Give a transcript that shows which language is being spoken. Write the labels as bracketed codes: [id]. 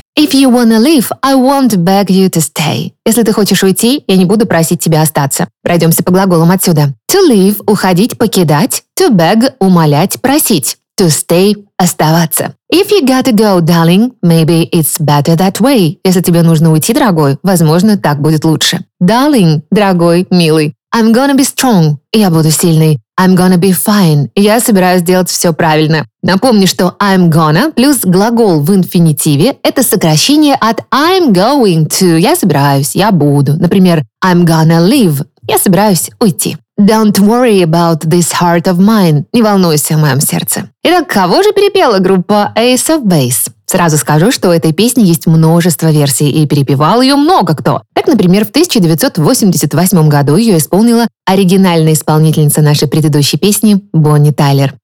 [en] You wanna leave, I won't beg you to stay. [ru] Если ты хочешь уйти, я не буду просить тебя остаться. Пройдемся по глаголам отсюда. [en] To leave [ru] – уходить, покидать. [en] To beg [ru] – умолять, просить. [en] To stay – [ru] оставаться. [en] If you gotta go, darling, maybe it's better that way. [ru] Если тебе нужно уйти, дорогой, возможно, так будет лучше. Darling – дорогой, милый. [en] I'm gonna be strong – [ru] я буду сильный. [en] I'm gonna be fine. [ru] Я собираюсь делать все правильно. Напомню, что [en] I'm gonna [ru] плюс глагол в инфинитиве – это сокращение от [en] I'm going to. [ru] Я собираюсь, я буду. Например, [en] I'm gonna leave. [ru] Я собираюсь уйти. [en] Don't worry about this heart of mine. [ru] Не волнуйся о моем сердце. Итак, кого же перепела группа Ace of Base? Сразу скажу, что у этой песни есть множество версий, и перепевал ее много кто. Так, например, в 1988 году ее исполнила оригинальная исполнительница нашей предыдущей песни Бонни Тайлер.